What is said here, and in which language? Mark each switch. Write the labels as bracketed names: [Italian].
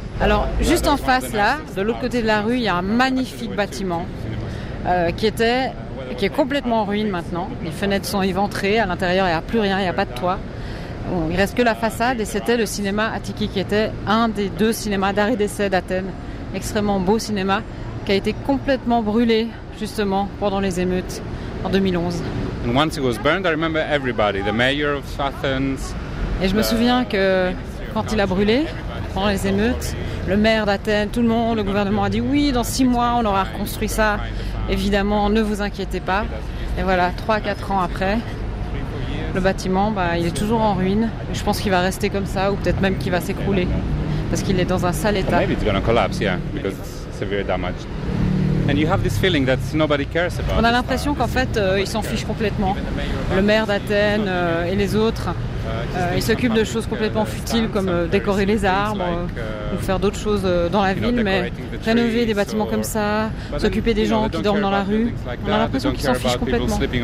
[French] Alors, juste en face, là, de l'autre côté de la rue, il y a un magnifique bâtiment qui est complètement en ruine maintenant. Les fenêtres sont éventrées, à l'intérieur, il n'y a plus rien, il n'y a pas de toit. Bon, il ne reste que la façade et c'était le cinéma Attiki, qui était un des deux cinémas d'art et d'essai d'Athènes. Extrêmement beau cinéma qui a été complètement brûlé, justement, pendant les émeutes en 2011. [English] And once it was burned, I remember everybody, the mayor of Athens. [French] Et je me souviens que quand il a brûlé, pendant les émeutes, le maire d'Athènes, tout le monde, le gouvernement a dit oui, dans 6 mois, on aura reconstruit ça. Évidemment, ne vous inquiétez pas. Et voilà, 3-4 ans après, le bâtiment, bah, il est toujours en ruine. Je pense qu'il va rester comme ça, ou peut-être même qu'il va s'écrouler, parce qu'il est dans un sale état. [English] Maybe it's going to collapse, yeah, because it's severe damage. And you have this feeling that nobody cares about. [French] On a l'impression qu'en fait, ils s'en fichent complètement. Le maire d'Athènes et les autres. Il s'occupe de choses complètement futiles comme décorer les arbres ou faire d'autres choses dans la ville, mais rénover des bâtiments comme ça, s'occuper des gens qui dorment dans la rue, on a l'impression qu'ils s'en fichent complètement.